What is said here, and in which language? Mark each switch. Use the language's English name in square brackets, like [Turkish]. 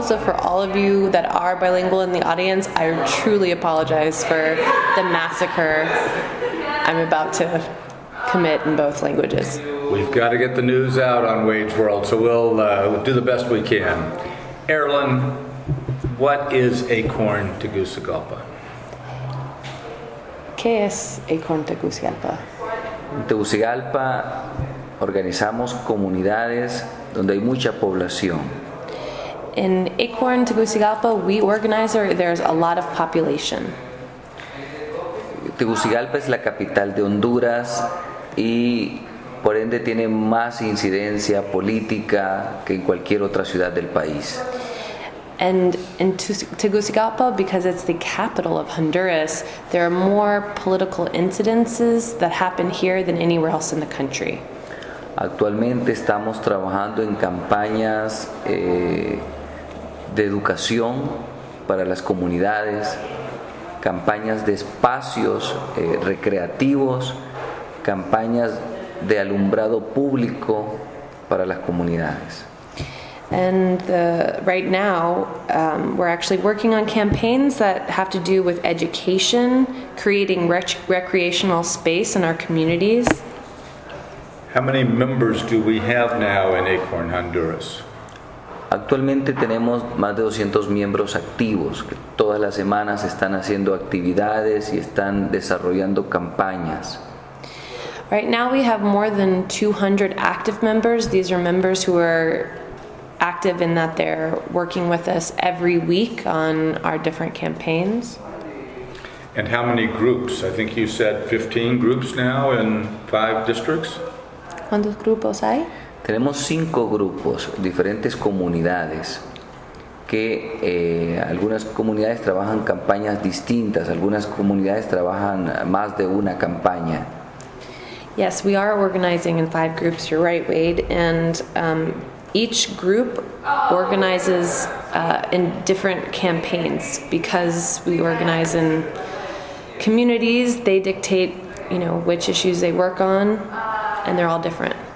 [English] So for all of you that are bilingual in the audience, I truly apologize for the massacre I'm about to commit in both languages. We've got to get the news out on Wade's World, so we'll do the best we can. Erlen, what is Acorn Tegucigalpa? [Spanish] ¿Qué es Acorn Tegucigalpa? En Tegucigalpa organizamos comunidades donde hay mucha población. [English] In Acorn Tegucigalpa, we organize where there's a lot of population. [Spanish] Tegucigalpa es la capital de Honduras y por ende tiene más incidencia política que en cualquier otra ciudad del país. [English] And in Tegucigalpa, because it's the capital of Honduras, there are more political incidences that happen here than anywhere else in the country. [Spanish] Actualmente estamos trabajando en campañas de educación para las comunidades, campañas de espacios recreativos, campañas de alumbrado público para las comunidades. [English] And right now, we're actually working on campaigns that have to do with education, creating recreational space in our communities. How many members do we have now in Acorn, Honduras? [Spanish] Actualmente tenemos más de 200 miembros activos que todas las semanas están haciendo actividades y están desarrollando campañas. [English] Right now we have more than 200 active members. These are members who are active in that they're working with us every week on our different campaigns. And how many groups? I think you said 15 groups now in 5 districts? [Spanish] ¿Cuántos grupos hay? Tenemos 5 grupos, diferentes comunidades, que algunas comunidades trabajan campañas distintas, algunas comunidades trabajan más de una campaña. [English] Yes, we are organizing in 5 groups, you're right, Wade, and each group organizes in different campaigns. Because we organize in communities, they dictate, you know, which issues they work on, and they're all different.